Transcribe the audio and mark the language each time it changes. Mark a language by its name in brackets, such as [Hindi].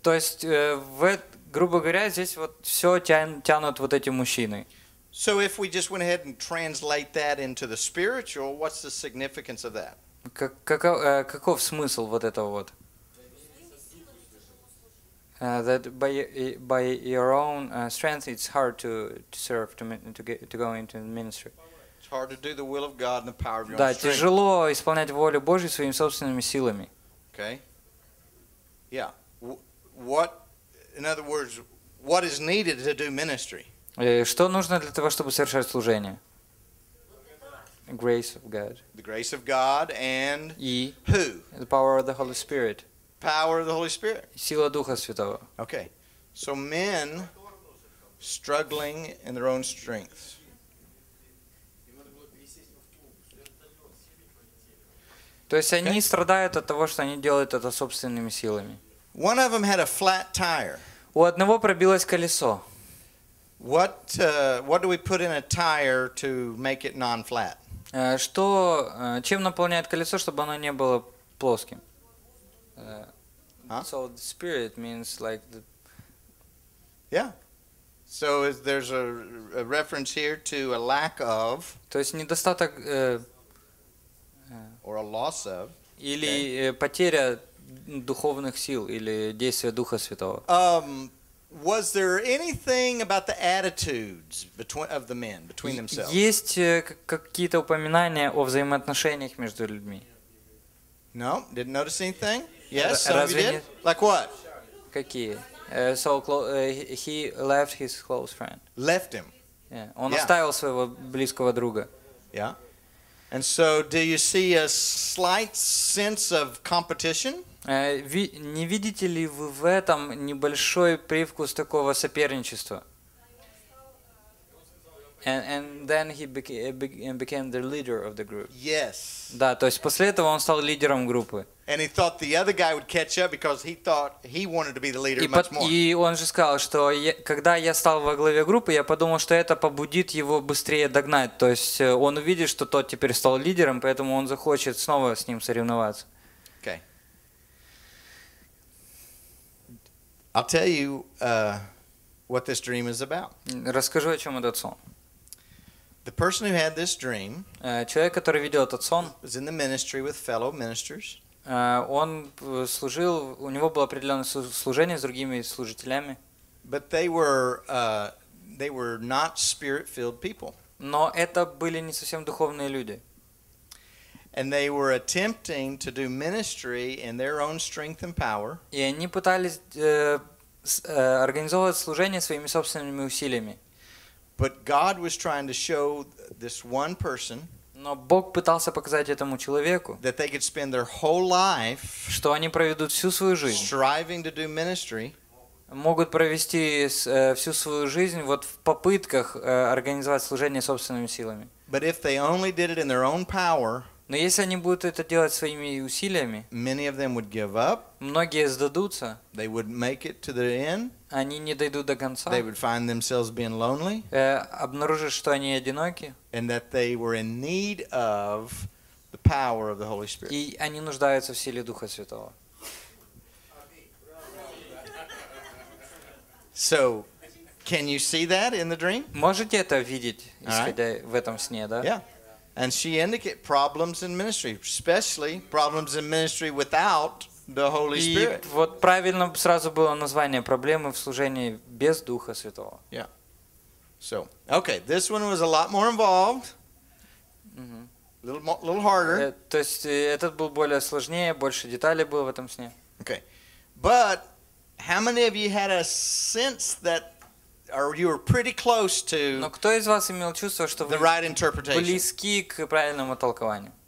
[Russian] То есть, грубо говоря, здесь вот все тянут вот эти мужчины. [English] So if we just went ahead and translate that into the spiritual, what's the significance of that? [Russian] Каков смысл вот этого вот? [English] That by your own strength, it's hard to serve, to go into the ministry. It's hard to do the will of God and the power of your [Russian] strength. Да, тяжело исполнять волю Божью своими собственными силами. [English] Okay. Yeah. What, in other words, what is needed to do ministry? [Russian] Что нужно для того, чтобы совершать служение? [English] Grace of God. The grace of God and [Russian] И [English] who? The power of the Holy Spirit. Power of the Holy Spirit. [Russian] Сила Духа Святого. [English] Okay. So men struggling in their own strengths. [Russian] То есть они страдают от того, что они делают это собственными силами. [English] One of them had a flat tire. [Russian] У одного пробилось колесо. [English] What do we put in a tire to make it non-flat? [Russian] Что, чем наполняет колесо, чтобы оно не было плоским? Huh? [English] So the spirit means like the Yeah. So is there's a reference here to a lack of [Russian] То есть недостаток [English] or a loss of [Russian] или потеря духовных сил или действия Духа Святого. [English] Was there anything about the attitudes between of the men between themselves? [Russian] Есть какие-то упоминания о взаимоотношениях между людьми? [English] No, didn't notice anything. Yes, some you did. Like what? [Russian] Какие? [English] He left his close friend. Left him. Yeah. [Russian] Он оставил своего близкого друга. [English] Yeah. And so, do you see a slight sense of competition? [Russian] Не видите ли вы в этом небольшой привкус такого соперничества? [English] And then he became the leader of the group. Yes. [Russian] Да, то есть после этого он стал лидером группы. [English] And he thought the other guy would catch up because he thought he wanted to be the leader much more. [Russian] И он же сказал, что когда я стал во главе группы, я подумал, что это побудит его быстрее догнать. То есть он увидит, что тот теперь стал лидером, поэтому он захочет снова с ним соревноваться. [English] Okay. I'll tell you what this dream is about. [Russian] Расскажу, о чем этот сон. [English] The person who had this dream [Russian] человек, который видел этот сон, [English] was in the ministry with fellow ministers. [Russian] Он служил, у него было определенное служение с другими служителями. [English] But they were not spirit-filled people. [Russian] Но это были не совсем духовные люди. [English] And they were attempting to do ministry in their own strength and power. [Russian] И они пытались организовать служение своими собственными усилиями. [English] But God was trying to show this one person [Russian] Но Бог пытался показать этому человеку, [English] that they could spend their whole life [Russian] что они проведут всю свою жизнь, [English] striving to do ministry, [Russian] могут провести всю свою жизнь вот в попытках организовать служение собственными силами. [English] But if they only did it in their own power, [Russian] Но если они будут это делать своими усилиями, [English] many of them would give up, [Russian] многие сдадутся, [English] they would make it to the end, [Russian] они не дойдут до конца, [English] they would find themselves being lonely, [Russian] обнаружат, что они одиноки, [English] and that they were in need of the power of the Holy Spirit. [Russian] И они нуждаются в силе Духа Святого. [English] So, can you see that in the dream? [Russian] Можете это видеть, исходя в этом сне, да? [English] Yeah. And she indicated problems in ministry, especially problems in ministry without the Holy Spirit. [Russian] И вот правильно сразу было название проблемы в служении без Духа Святого. [English] Yeah. So, okay, this one was a lot more involved. Mm-hmm. Little harder. [Russian] То есть этот был более сложнее, больше деталей было в этом сне. [English] Okay. But how many of you had a sense that Or you were pretty close to [Russian] Но кто из вас имел чувство, что [English] the right interpretation? [Russian] Близки к правильному толкованию?